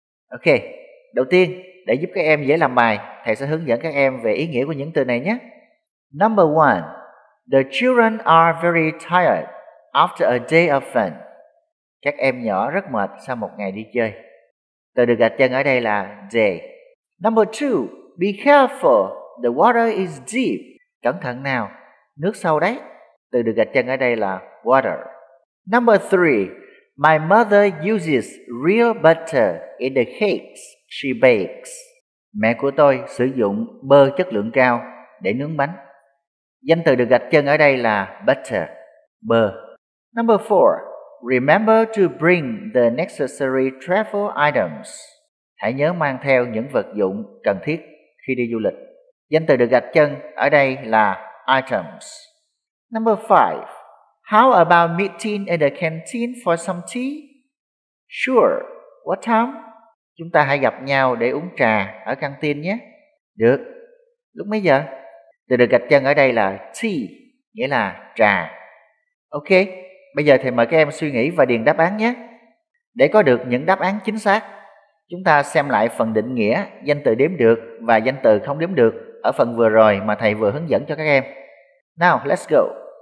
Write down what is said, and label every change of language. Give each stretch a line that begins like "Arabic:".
Vietnamese: Ok, đầu tiên, để giúp các em dễ làm bài, thầy sẽ hướng dẫn các em về ý nghĩa của những từ này nhé.
English: Number one, the children are very tired after a day of fun.
Vietnamese: Các em nhỏ rất mệt sau một ngày đi chơi. Từ được gạch chân ở đây là day.
English: Number two, be careful, the water is deep.
Vietnamese: Cẩn thận nào, nước sâu đấy. Từ được gạch chân ở đây là water.
English: Number three, my mother uses real butter in the cakes she bakes.
Vietnamese: Mẹ của tôi sử dụng bơ chất lượng cao để nướng bánh. Danh từ được gạch chân ở đây là butter, bơ.
English: Number four, remember to bring the necessary travel items.
Vietnamese: Hãy nhớ mang theo những vật dụng cần thiết khi đi du lịch. Danh từ được gạch chân ở đây là items.
English: Number five, how about meeting at the canteen for some tea? Sure, what time?
Vietnamese: Chúng ta hãy gặp nhau để uống trà ở căng tin nhé. Được, lúc mấy giờ? Từ được gạch chân ở đây là tea, nghĩa là trà. Ok, bây giờ thầy mời các em suy nghĩ và điền đáp án nhé. Để có được những đáp án chính xác, chúng ta xem lại phần định nghĩa danh từ đếm được và danh từ không đếm được ở phần vừa rồi mà thầy vừa hướng dẫn cho các em.
English: Now, let's go.